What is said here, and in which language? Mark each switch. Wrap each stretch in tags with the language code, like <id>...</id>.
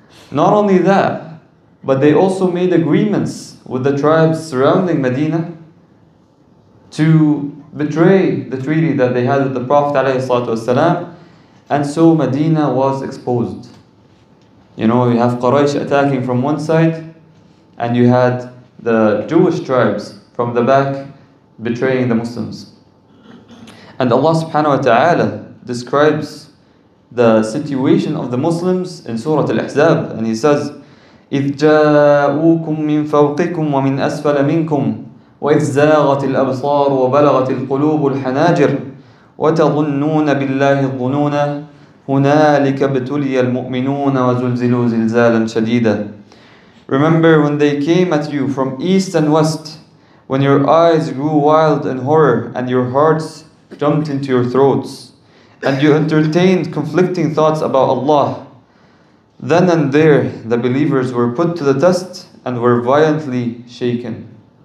<en>Not only that, but they also made agreements with the tribes surrounding Medina to betray the treaty that they had with the Prophet ﷺ, and so Medina was exposed. You know, you have Quraysh attacking from one side, and you had the Jewish tribes from the back betraying the Muslims. And Allah subhanahu wa ta'ala describes the situation of the Muslims in Surah Al-Ahzab, and he says,</en> <ar>إِذْ جَاءُوكُمْ مِنْ فَوْقِكُمْ وَمِنْ أَسْفَلَ مِنْكُمْ وَإِذْ زَاغَتِ الْأَبْصَارُ وَبَلَغَتِ الْقُلُوبُ الْحَنَاجِرُ وَتَظُنُّونَ بِاللَّهِ الظُّنُونَ هُنَالِكَ بْتُلِيَ الْمُؤْمِنُونَ وَزُلْزِلُوا زِلْزَالًا شَدِيدًا.</ar> <en>Remember when they came at you from east and west, when your eyes grew wild in horror and your hearts jumped into your throats, and you entertained conflicting thoughts about Allah. Then and there, the believers were put to the test and were violently shaken.</en>